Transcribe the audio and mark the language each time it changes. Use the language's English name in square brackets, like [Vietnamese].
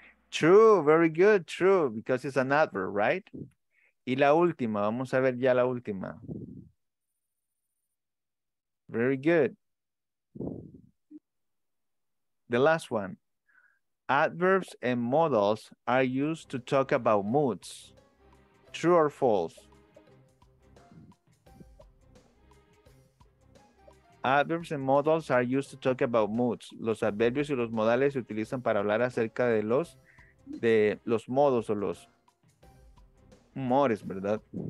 [English] True, very good, true, because it's an adverb, right? [Spanish] Y la última, vamos a ver ya la última. [English] Very good. The last one. Adverbs and modals are used to talk about moods. True or false? Adverbs and modals are used to talk about moods. [Spanish] Los adverbios y los modales se utilizan para hablar acerca de los modos o los humores, ¿verdad?